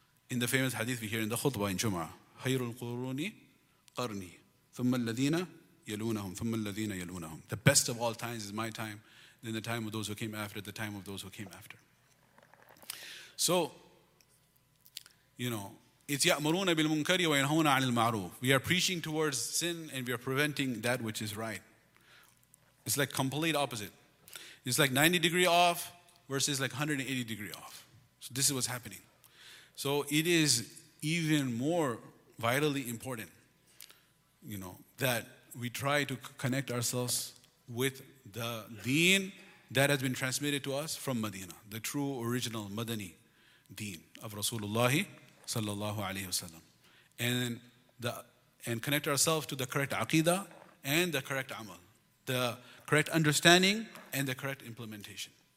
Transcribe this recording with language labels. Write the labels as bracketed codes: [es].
[en] In the famous hadith we hear in the khutbah in Jum'ah, [ar] khayrul quruni qarni, thumma alladhina yalunahum, [en] thumma alladhina yalunahum. The best of all times is my time, then the time of those who came after, the time of those who came after. So, you know, It's [ar] يأمرون بالمنكر وينهون عن المعروف. [en] We are preaching towards sin and we are preventing that which is right. It's like complete opposite. It's like 90 degree off versus like 180 degree off. So this is what's happening. So it is even more vitally important, you know, that we try to connect ourselves with the deen that has been transmitted to us from Medina, the true original Madani deen of Rasulullah sallallahu alayhi wasallam, and connect ourselves to the correct aqidah and the correct amal, the correct understanding and the correct implementation.